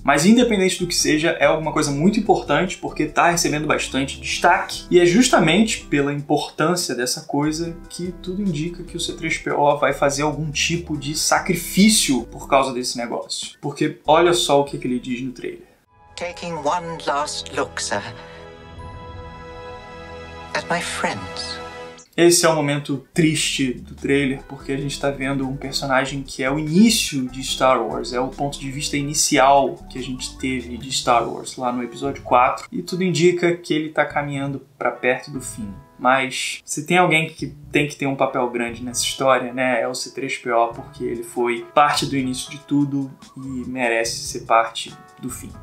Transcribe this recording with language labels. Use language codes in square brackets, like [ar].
[pt] Mas independente do que seja, é alguma coisa muito importante, porque tá recebendo bastante destaque. E é justamente pela importância dessa coisa que tudo indica que o C-3PO vai fazer algum tipo de sacrifício por causa desse negócio. Porque olha só o que ele diz no trailer. [en] Taking one last look, sir, at my friends. [pt] Esse é um momento triste do trailer, porque a gente tá vendo um personagem que é o início de Star Wars, é o ponto de vista inicial que a gente teve de Star Wars lá no episódio 4, e tudo indica que ele tá caminhando pra perto do fim. Mas se tem alguém que tem que ter um papel grande nessa história, né, é o C-3PO, porque ele foi parte do início de tudo e merece ser parte do fim.